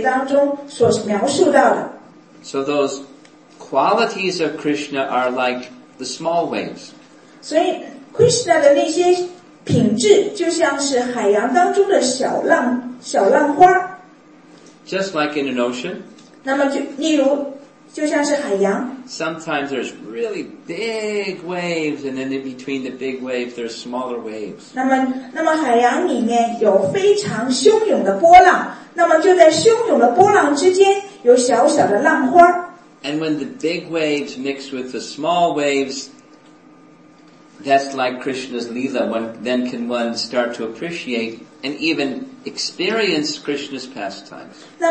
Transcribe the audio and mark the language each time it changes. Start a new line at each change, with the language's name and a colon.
Chinese: 那么就像是在第30诗节当中所描述到的。
English: So those qualities of Krishna are like the small waves.
Chinese: 所以 Krishna 的那些品质就像是海洋当中的小浪花。
English: Just like in an ocean,
Chinese: 那么就像是海洋,
English: sometimes there's really big waves, and then in between the big waves, there's smaller waves.
Chinese: 那么海洋里面有非常汹涌的波浪, 那么就在汹涌的波浪之间有小小的浪花。
English: And when the big waves mix with the small waves, that's like Krishna's Leela. Then can one start to appreciate and even experience Krishna's pastimes.